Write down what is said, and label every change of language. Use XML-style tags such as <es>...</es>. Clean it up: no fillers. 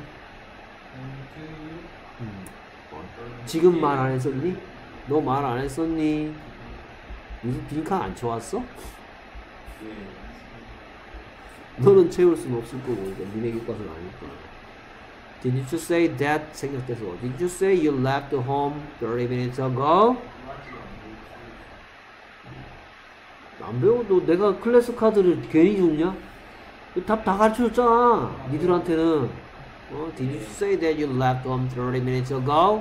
<ko>지금 말 안 했었니? 너 말 안 했었니? 무슨 빈칸 안 좋았어? 너는 채울 수는 없을 거고, 이제 니네 교과서는 아니니까.</ko> <en>Did you say that?</en> <ko>생각돼서.</ko> <en>Did you say you left home 30 minutes ago?</en> <ko>안 배워도 내가 클래스 카드를 괜히 줬냐? 답 다 가르쳐 줬잖아. 니들한테는.</ko> <en>Did you say that you left home 30 minutes ago?</en>